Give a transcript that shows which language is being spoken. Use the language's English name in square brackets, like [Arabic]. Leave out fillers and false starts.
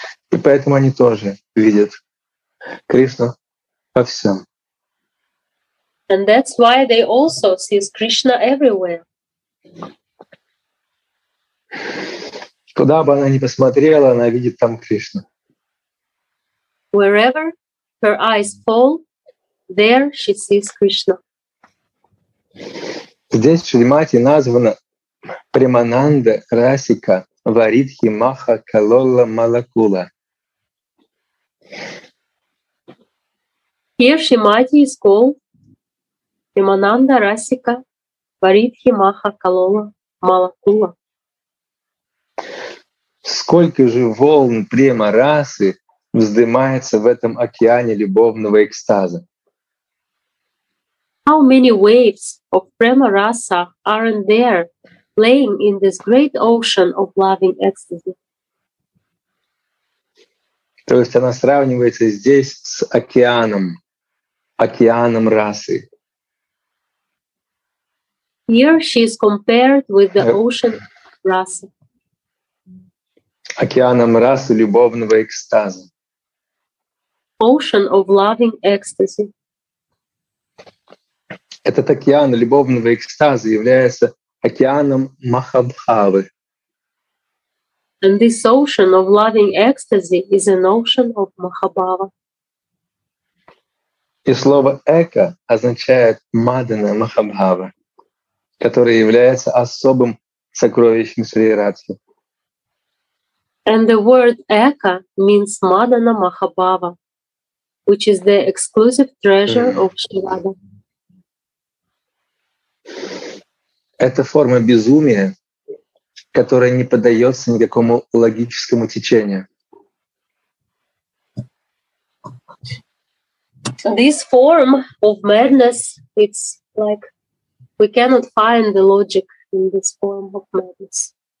[Russian] И поэтому они тоже видят Кришну во всем. [English] And that's why they also see Krishna everywhere. [Russian] Куда бы она ни посмотрела, она видит там Кришну. [English] Wherever her eyes fall, there she sees Krishna. [Russian] Здесь Шримати названа Премананда Расика. Варидхи Маха Калола Малакула. [English] Here Shrimati is called Premananda Rasika Varidhi Maha Kalola Malakula. [Russian] Сколько же волн према расы вздымается в этом океане любовного экстаза? [English] How many waves of prema rasa aren't there? Playing in this great ocean of loving ecstasy. [Russian] То есть она сравнивается здесь с океаном, океаном расы. [English] Here she is compared with the ocean rasa. [Russian] Океаном расы любовного экстаза. [English] Ocean of loving ecstasy. [Russian] Этот океан любовного экстаза является океаном Махабхавы. [English] And this ocean of loving ecstasy is an ocean of Mahabhava. [Russian] И слово «эка» означает «мадана Махабхава», которая является особым сокровищем Шри Радхи. [English] And the word «эка» means «мадана Махабхава», which is the exclusive treasure of Shivada. Это форма безумия, которая не поддается никакому логическому течению. This form of madness, it's like we cannot find the logic in this form of madness.